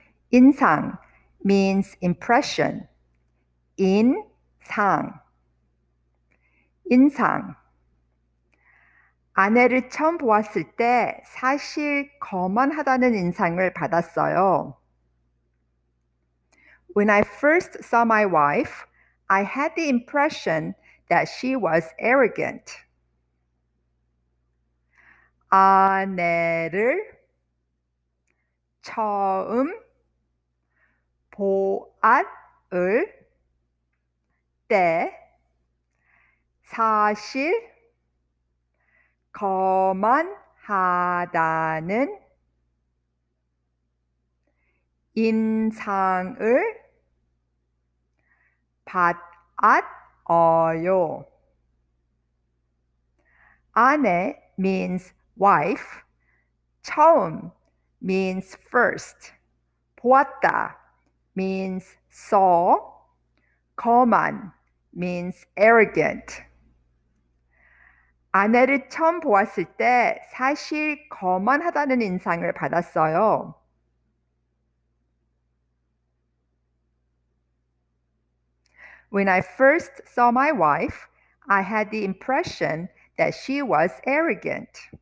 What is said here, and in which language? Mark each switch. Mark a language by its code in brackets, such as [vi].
[en] 인상 means impression. 인상. 인상. [ko] 아내를 처음 보았을 때 사실 거만하다는 인상을 받았어요. [en] When I first saw my wife, I had the impression that she was arrogant. [ko] 아내를 처음 보았을 때 사실 거만하다는 인상을 받았어요. [en] 아내 means wife. 처음 means first. 보았다 means saw. 거만 means arrogant. [ko] 아내를 처음 보았을 때 사실 거만하다는 인상을 받았어요. [en] When I first saw my wife, I had the impression that she was arrogant.